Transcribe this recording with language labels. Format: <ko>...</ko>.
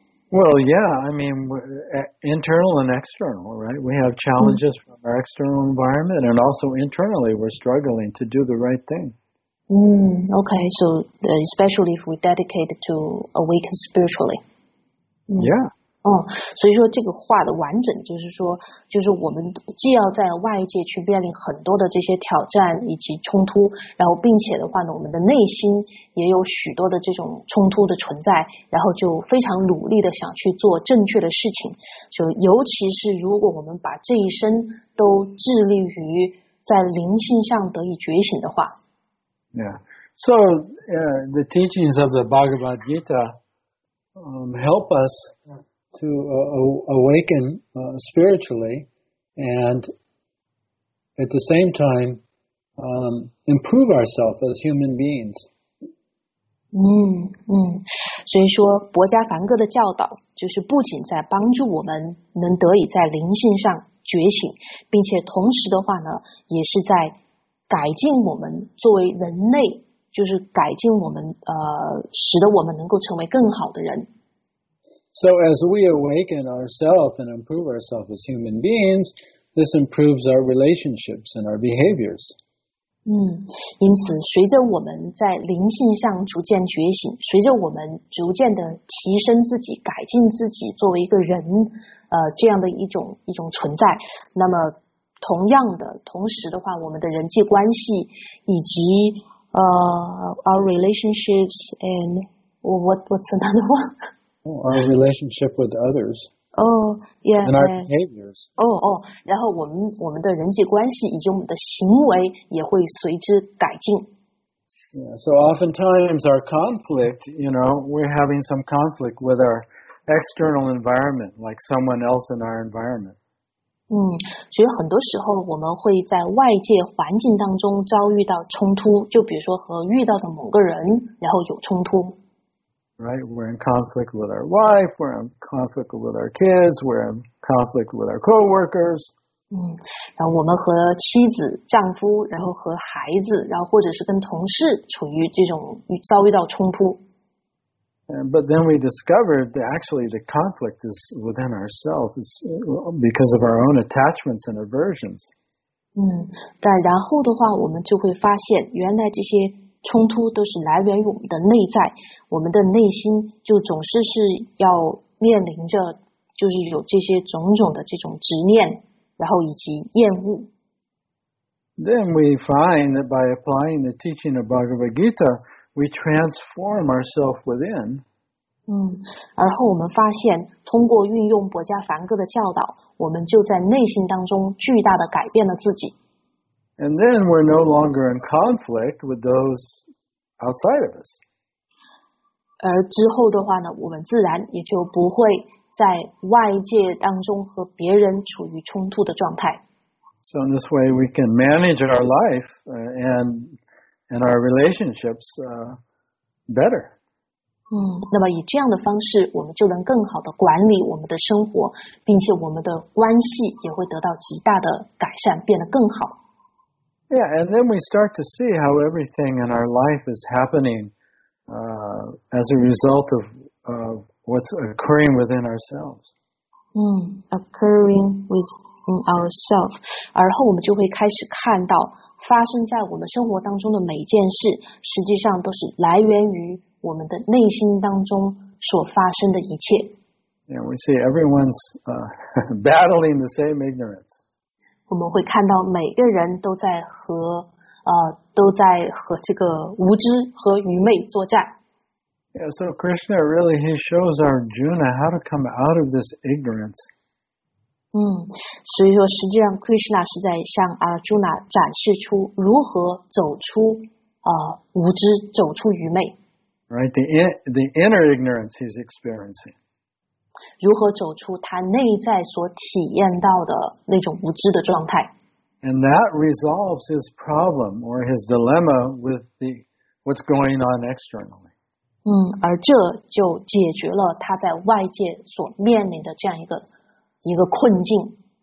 <en>Well, yeah, I mean, internal and external, right? We have challenges from our external environment, and also internally we're struggling to do the right thing. Okay, so especially if we're dedicated to awaken spiritually. Yeah.</en> <zh>所以说这个话的完整就是说，就是我们既要在外界去面临很多的这些挑战以及冲突，然后并且的话呢，我们的内心也有许多的这种冲突的存在，然后就非常努力的想去做正确的事情。就尤其是如果我们把这一生都致力于在灵性上得以觉醒的话。</zh> <en>Yeah. So, the teachings of the Bhagavad Gita, help us to awaken spiritually and at the same time improve ourselves as human beings.</en> <zh>所以说博伽梵歌的教导就是不仅在帮助我们能得以在灵性上觉醒，并且同时的话呢也是在改进我们作为人类，就是改进我们使得我们能够成为更好的人。</zh> <en>So as we awaken ourselves and improve ourselves as human beings, this improves our relationships and our behaviors.</en> <zh>因此随着我们在灵性上逐渐觉醒，随着我们逐渐的提升自己，改进自己作为一个人这样的一种存在，那么同样的同时的话，我们的人际关系以及</zh> <en>our relationships and what's another one? Our relationship with others. And our behaviors.</en> <zh>然后我们的人际关系以及我们的行为也会随之改进。</zh> <en>Yeah, so oftentimes our conflict, you know, we're having some conflict with our external environment, like someone else in our environment.</en> <zh>所以很多时候我们会在外界环境当中遭遇到冲突，就比如说和遇到的某个人，然后有冲突。</zh> <en>Right, we're in conflict with our wife, we're in conflict with our kids, we're in conflict with our co-workers.</en> <zh>然后我们和妻子、丈夫，然后和孩子，然后或者是跟同事处于这种遭遇到冲突。</zh> <en>But then we discovered that actually the conflict is within ourselves, it's because of our own attachments and aversions.</en> <zh>但然后的话我们就会发现原来这些冲突都是来源于我们的内在，我们的内心就总是要面临着就是有这些种种的这种执念，然后以及厌恶。</zh> <en>Then we find that by applying the teaching of Bhagavad Gita, we transform ourselves within.</en> <zh>而后我们发现，通过运用博迦梵歌的教导，我们就在内心当中巨大的改变了自己。</zh> <en>And then we're no longer in conflict with those outside of us.</en> <zh>而之后的话呢，我们自然也就不会在外界当中和别人处于冲突的状态。</zh> <en>So in this way, we can manage our life and our relationships better.</en> <zh>那么以这样的方式，我们就能更好的管理我们的生活，并且我们的关系也会得到极大的改善，变得更好。</zh> <en>Yeah, and then we start to see how everything in our life is happening as a result of what's occurring within ourselves. Occurring within ourselves.</en> <zh>而后我们就会开始看到发生在我们生活当中的每一件事，实际上都是来源于我们的内心当中所发生的一切。</zh> <en>Yeah, we see everyone's battling the same ignorance.</en> <zh>我们会看到每个人都在和都在和这个无知和愚昧作战。</zh> <en>Yeah, so Krishna really he shows Arjuna how to come out of this ignorance.</en> <zh>所以说实际上 Krishna 是在向 Arjuna 展示出如何走出无知，走出愚昧。</zh> <en>Right, the inner ignorance he's experiencing.</en> <zh>如何走出他内在所体验到的那种无知的状态</zh> <en>？And that resolves his problem or his dilemma with the what's going on externally.</en> <zh>而这就解决了他在外界所面临的这样一个困境。</zh>